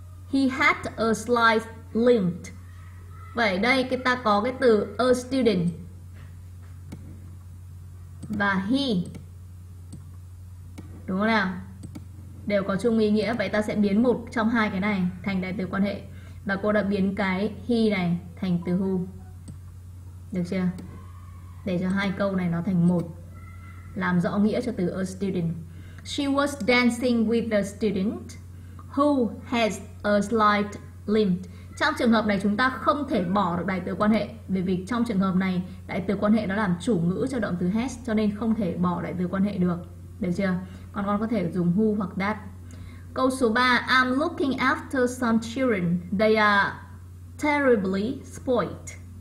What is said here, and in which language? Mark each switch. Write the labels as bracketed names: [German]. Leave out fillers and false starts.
[English] He had a slight limp. [Vietnamese] Vậy đây cái ta có cái từ a student và he, đúng không nào? Đều có chung ý nghĩa. Vậy ta sẽ biến một trong hai cái này thành đại từ quan hệ. Và cô đã biến cái he này thành từ who. Được chưa? Để cho hai câu này nó thành một, làm rõ nghĩa cho từ a student. [English] She was dancing with a student who has a slight limp. [Vietnamese] Trong trường hợp này chúng ta không thể bỏ được đại từ quan hệ, bởi vì trong trường hợp này đại từ quan hệ nó làm chủ ngữ cho động từ has, cho nên không thể bỏ đại từ quan hệ được. Được chưa? Còn con có thể dùng who hoặc that. Câu số 3. [English] I'm looking after some children. They are terribly spoiled.